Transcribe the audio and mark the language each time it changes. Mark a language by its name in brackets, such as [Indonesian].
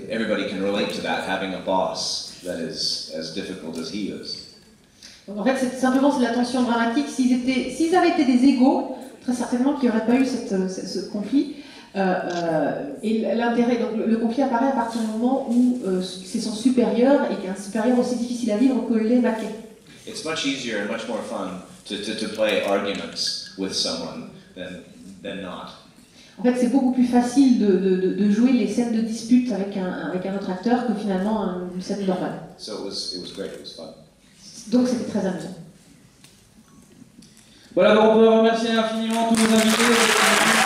[English] Everybody can relate to that. Having a boss that is as difficult as he is. [French] Donc en fait, c'est simplement la tension dramatique. S'ils avaient été des égaux, très certainement qu'il n'y aurait pas eu ce conflit. Et l'intérêt, donc le conflit apparaît à partir du moment où c'est son supérieur et qu'un supérieur aussi difficile à vivre que les maquets. [English] It's much easier and much more fun to play arguments with someone than not. [French] En fait, c'est beaucoup plus facile de jouer les scènes de dispute avec un autre acteur que finalement une scène normale. [English] So it was great, it was fun. [French] Donc c'était très amusant. Voilà, donc on peut remercier infiniment tous nos invités.